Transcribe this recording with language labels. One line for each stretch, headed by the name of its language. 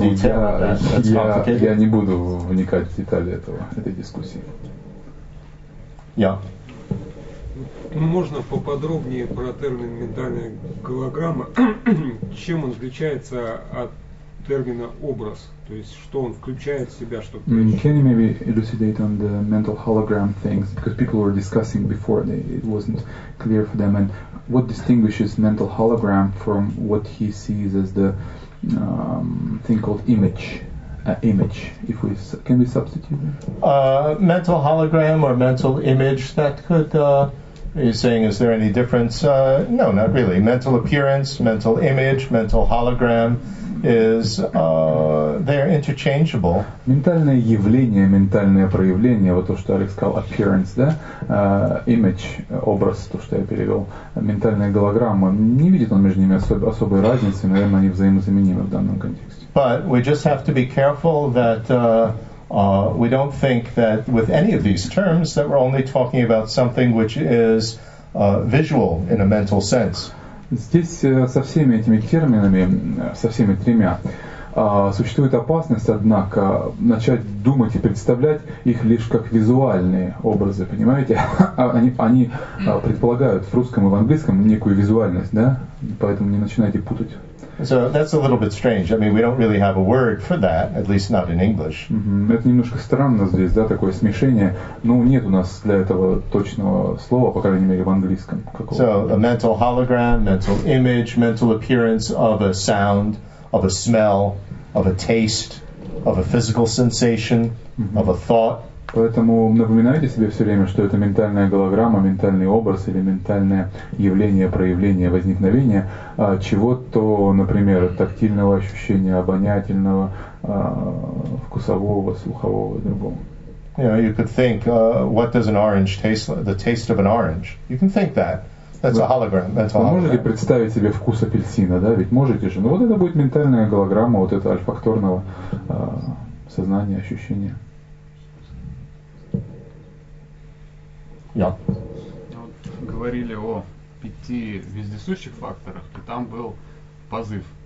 Russian: Я не буду вникать в детали этого, этой дискуссии. Можно поподробнее про термин «ментальная голограмма»? Чем он отличается от термина «образ»? То есть, что он включает в себя, что...
English: I mean, can you maybe elucidate on the mental hologram things? Because people were discussing before, it wasn't clear for them. And what distinguishes mental hologram from what he sees as the thing called image? Image. If we can we substitute mental hologram or mental image, that could. Are you saying is there any difference? No, not really. Mental appearance, mental image, mental hologram, is they're interchangeable.
Russian: Ментальное явление, ментальное проявление, вот то, что Алекс сказал, appearance, да, image, образ, то, что я перевел, ментальная голограмма. Не видит он между ними особой разницы, наверное, они взаимозаменимы в данном контексте.
English: But we just have to be careful that we don't think that with any of these terms that we're only talking about something which is visual in a mental sense.
Russian: Здесь со всеми этими терминами, со всеми тремя, существует опасность, однако, начать думать и представлять их лишь как визуальные образы, понимаете? Они предполагают в русском и в английском некую визуальность, да? Поэтому не начинайте путать.
English: So that's a little bit strange. I mean, we don't really have a word for that, at least not in English.
Russian: Это немножко странно здесь, да, такое смешение. Ну, нет у нас для этого точного слова, по крайней мере, в английском.
English: So a mental hologram, mental image, mental appearance of a sound, of a smell, of a taste, of a physical sensation, of a thought.
Russian: Поэтому напоминайте себе все время, что это ментальная голограмма, ментальный образ или ментальное явление, проявление, возникновение чего-то, например, тактильного ощущения, обонятельного, вкусового, слухового, другого.
English: You know, you could think, what does an orange taste like? The taste of an orange. You can think that. That's a hologram. That's a hologram.
Russian: Вы можете представить себе вкус апельсина, да? Ведь можете же. Ну вот это будет ментальная голограмма вот этого альфакторного сознания, ощущения.
English: Yeah.
Russian: Вот говорили о пяти вездесущих факторах, и там был позыв.